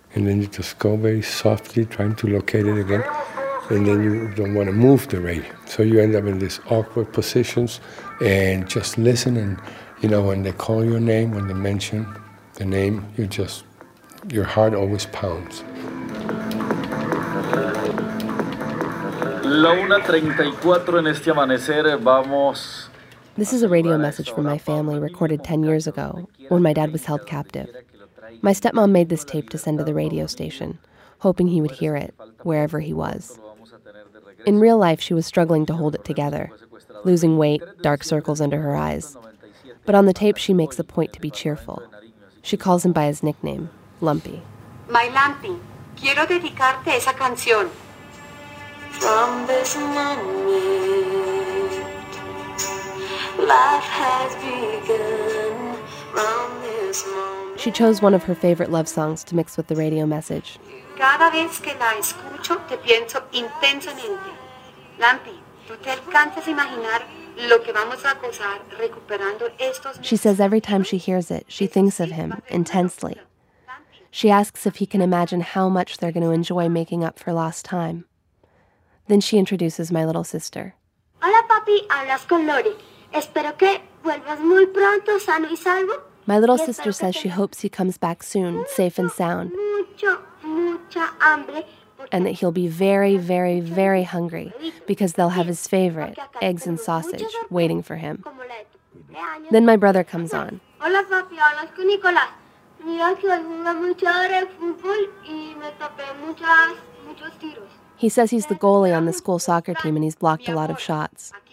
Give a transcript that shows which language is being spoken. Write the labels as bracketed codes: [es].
[en] And then you just go very softly trying to locate it again. And then you don't want to move the radio. So you end up in these awkward positions and just listen. And, you know, when they call your name, when they mention the name, you just, your heart always pounds. [es] La 1:34 en este amanecer, vamos. [en] This is a radio message from my family recorded 10 years ago when my dad was held captive. My stepmom made this tape to send to the radio station, hoping he would hear it wherever he was. In real life, she was struggling to hold it together, losing weight, dark circles under her eyes. But on the tape, she makes a point to be cheerful. She calls him by his nickname, Lumpy. [es] My Lumpy, quiero dedicarte esa canción. [en] From this moment, life has begun. From this moment. She chose one of her favorite love songs to mix with the radio message. [es] Cada vez que la escucho, te pienso intensamente. Lumpy, tú te alcanzas a imaginar lo que vamos a gozar recuperando estos. [en] She says every time she hears it, she thinks of him intensely. She asks if he can imagine how much they're going to enjoy making up for lost time. Then she introduces my little sister. [es] Hola, papi. Hablas con Lori. Espero que vuelvas muy pronto, sano y salvo. [en] My little sister says she hopes he comes back soon, safe and sound. [es] Mucho, mucha hambre. [en] And that he'll be very, very, very hungry because they'll have his favorite, eggs and sausage, waiting for him. Then my brother comes on. [es] Hola, papi. Hablas con Nicolás. Mira que hoy jugué mucho de fútbol y me tapé muchos tiros. [en] He says he's the goalie on the school soccer team and he's blocked a lot of shots.